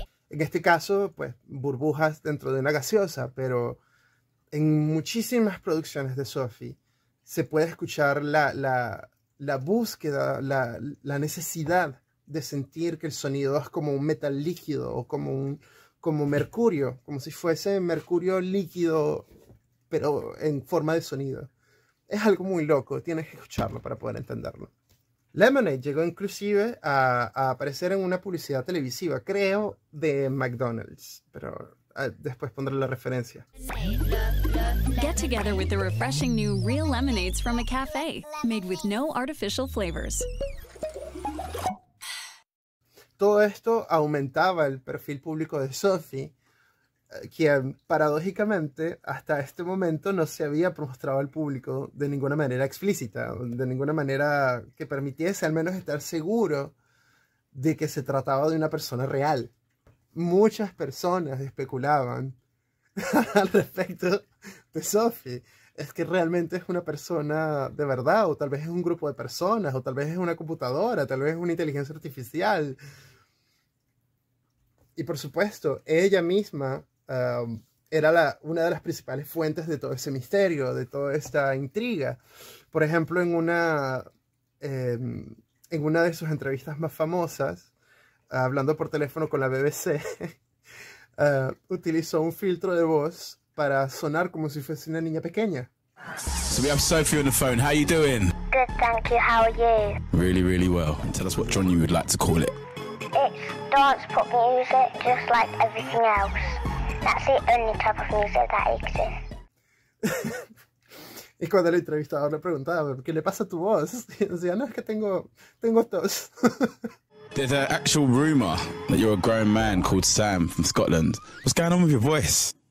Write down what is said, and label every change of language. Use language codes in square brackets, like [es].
[es] En este caso, pues burbujas dentro de una gaseosa, pero en muchísimas producciones de Sophie se puede escuchar la búsqueda, la necesidad de sentir que el sonido es como un metal líquido o como mercurio, como si fuese mercurio líquido, pero en forma de sonido. Es algo muy loco, tienes que escucharlo para poder entenderlo. Lemonade llegó inclusive a aparecer en una publicidad televisiva, creo, de McDonald's, pero después pondré la referencia. [en] Get together with the refreshing new Real Lemonades from a cafe, made with no artificial flavors. [es] Todo esto aumentaba el perfil público de Sophie, quien paradójicamente hasta este momento no se había mostrado al público de ninguna manera explícita, de ninguna manera que permitiese al menos estar seguro de que se trataba de una persona real. Muchas personas especulaban al respecto de Sophie. Es que realmente es una persona de verdad, o tal vez es un grupo de personas, o tal vez es una computadora, tal vez es una inteligencia artificial. Y por supuesto, ella misma era una de las principales fuentes de todo ese misterio, de toda esta intriga. Por ejemplo, en una de sus entrevistas más famosas, hablando por teléfono con la BBC, utilizó un filtro de voz para sonar como si fuese una niña pequeña. [en] So we have Sophie on the phone. How are you doing? Good, thank you. How are you? Really, really well. Tell us what genre you would like to call it. It's dance pop music, just like everything else. That's the only type of music that exists. [es] Y cuando el entrevistador le preguntaba, ¿qué le pasa a tu voz? Y decía, no, es que tengo tos. [en] There's an actual rumor that you're a grown man called Sam from Scotland. What's going on with your voice?